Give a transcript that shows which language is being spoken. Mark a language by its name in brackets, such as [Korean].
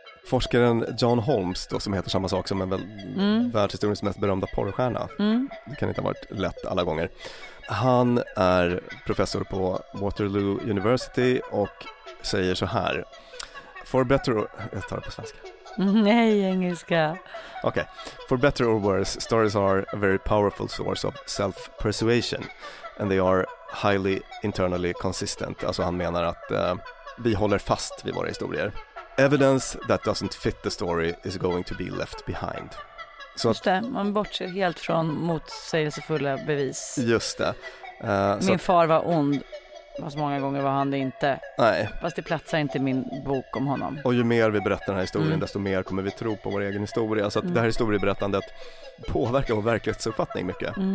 [Swedish] Forskaren John Holmes då, som heter samma sak som en världshistoriens mest berömda porrstjärna. Det kan inte ha varit lätt alla gånger. Han är professor på Waterloo University och säger så här: [English] for better or... [Swedish] Jag tar det på svenska. Nej, engelska. Okay. [English] For better or worse, stories are a very powerful source of self-persuasion and they are highly internally consistent. [Swedish] Alltså han menar att vi håller fast vid våra historier. [English] Evidence that doesn't fit the story is going to be left behind. [Swedish] Så just det, man bortser helt från motsägelsefulla bevis. Just det. Min far var ond, fast många gånger var han det inte. Nej. Fast det platsar inte min bok om honom. Och ju mer vi berättar den här historien, desto mer kommer vi tro på vår egen historia. Så att det här historieberättandet påverkar vår verklighetsuppfattning mycket.